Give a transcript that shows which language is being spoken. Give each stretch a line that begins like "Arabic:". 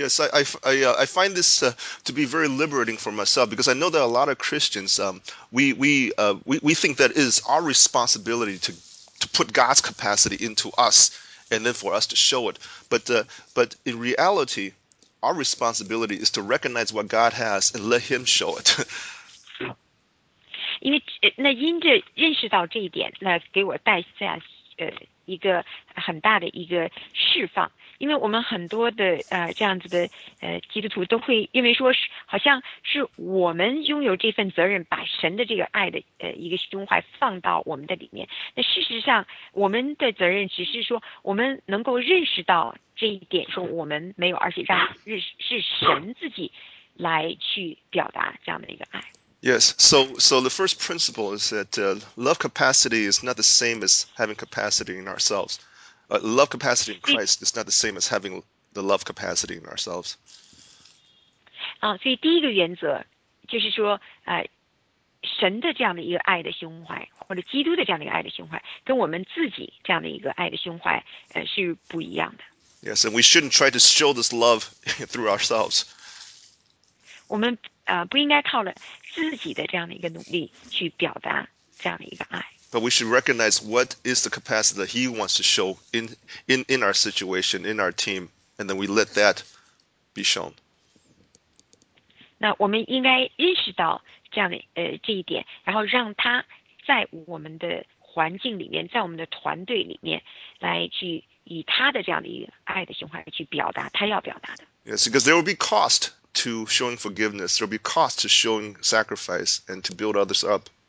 English: Yes, I find this to be very liberating for myself because I know that a lot of Christians we think that is our responsibility to put God's capacity into us and then for us to show it. But in reality, our responsibility is to recognize what God has and let Him show it.
Chinese: 因为那因着认识到这一点，那给我带下一个很大的一个释放。因为我们很多的这样子的基督徒都会认为说是好像是我们拥有这份责任，把神的这个爱的一个胸怀放到我们的里面。那事实上，我们的责任只是说我们能够认识到这一点，说我们没有，而且让是神自己来去表达这样的一个爱。
English: Yes, so the first principle is that love capacity is not the same as having capacity in ourselves. Love capacity in Christ is not the same as having the love capacity in ourselves.
Chinese: 所以第一个原则就是说，神的这样的一个爱的胸怀，或者基督的这样的一个爱的胸怀，跟我们自己这样的一个爱的胸怀，是不一样的。
English: Yes, and we shouldn't try to show this love through ourselves.
Chinese: 我们不应该靠了自己的这样的一个努力去表达这样的一个爱。
English: But we should recognize what is the capacity that He wants to show in our situation, in our team, and then we let that be shown.
Chinese: 那我们应该认识到这样的这一点，然后让他在我们的环境里面，在我们的团队里面，来去以他的这样的一个爱的胸怀去表达他要表达的。
English: Yes, because there will be cost. To showing forgiveness, there will be cost to showing sacrifice and to build others up.